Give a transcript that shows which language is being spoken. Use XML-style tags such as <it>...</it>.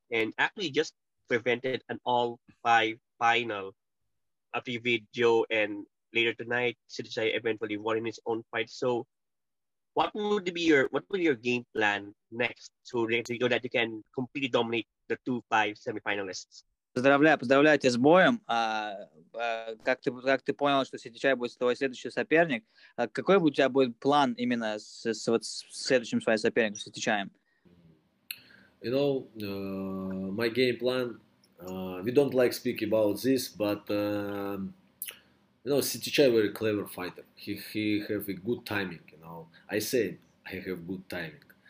<en>And actually just prevented an all-five final after you beat Joe and later tonight, City Chai eventually won in his own fight. So what would your game plan next to so that you can completely dominate the 2-5 semifinalists?</en> <ru>Поздравляю тебя с боем. Как ты понял, что City Chai будет твой следующий соперник? Какой у тебя будет план именно с вот следующим своим соперником, City Chai?</ru> <en>You know, my game plan, we don't like speak about this, but you know, City Chai very clever fighter. He have a good timing, you know. I say I have good timing.</en>